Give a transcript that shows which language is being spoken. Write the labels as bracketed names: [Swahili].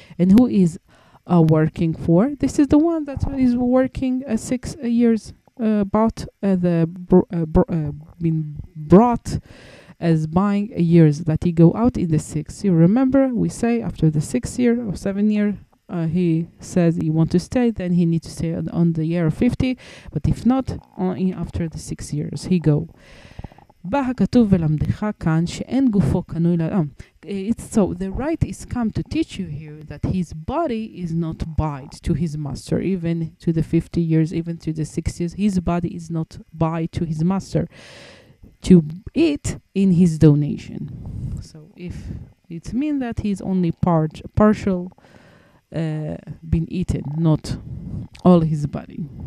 [English] And who is working for? This is the one that is working 6 years been brought as buying years, that he go out in the 6. You remember, we say after the 6 year or 7 year, he says he want to stay, then he need to stay on the year of 50, but if not, only after the 6 years, he go. [Hebrew] בא הכתוב ולמדך כאן שאין גופו קנוי לאדם. [English] So the right is come to teach you here that his body is not bought to his master, even to the 50 years, even to the 6 years, his body is not bought to his master. To eat in his donation. So if it means that he's only partial been eaten, not all his body.